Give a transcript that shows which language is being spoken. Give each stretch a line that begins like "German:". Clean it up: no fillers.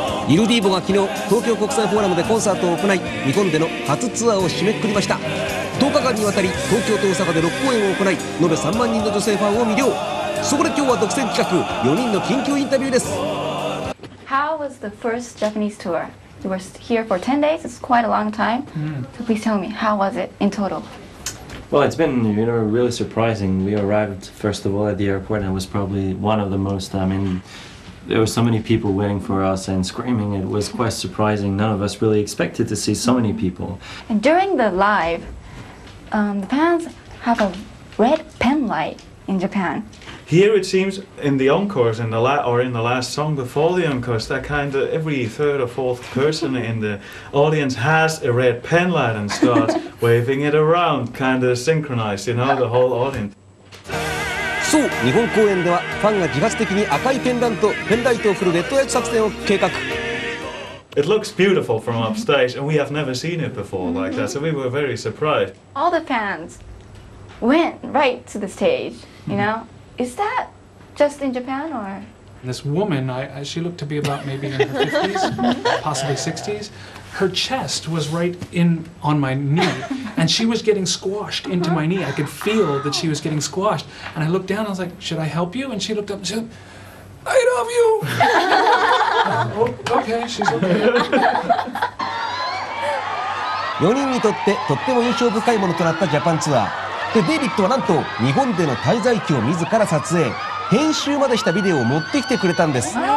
Japanese: イルディーボが昨日東京国際フォーラムでコンサートを行い、日本での初ツアーを締めくくりました。 10日間にわたり東京と大阪で6公演を行い、延べ3万人の女性ファンを魅了。そこで今日は独占企画、4人の緊急インタビューです。
English: How was the first Japanese tour? You were here for 10 days, it's quite a long time. So please tell me, how was it in total? Well, it's been, you know, really surprising. We arrived first of all at the airport and it was probably one of the most, I mean,There were so many people waiting for us and screaming. It was quite surprising. None of us really expected to see so many people. And during the live, the fans have a red pen light in Japan. Here it seems in the encores, in the last song before the encores, that kind of every third or fourth person in the audience has a red pen light and starts waving it around, kind of synchronized, you know, the whole audience.
Japanese: そう、日本公演ではファンが自発的に赤いペンダント、ペンライトを振るレッドライト作戦を計画。
English: It looks beautiful from upstage and we have never seen it before like that, so we were very surprised. All the fans went right to the stage, you know? Is that just in Japan or... This woman, she looked to be about maybe in her 50s, possibly 60s. Her chest was right in on my knee, and she was getting squashed into my knee. I could feel that she was getting squashed. And I looked down, I was like, should I help you? And she looked up and said, I love you! okay, she's okay.
Japanese: 4人にとってとっても印象深いものとなったジャパンツアー。で、デイビッドはなんと日本での滞在期を自ら撮影。編集までしたビデオを持ってきてくれたんです。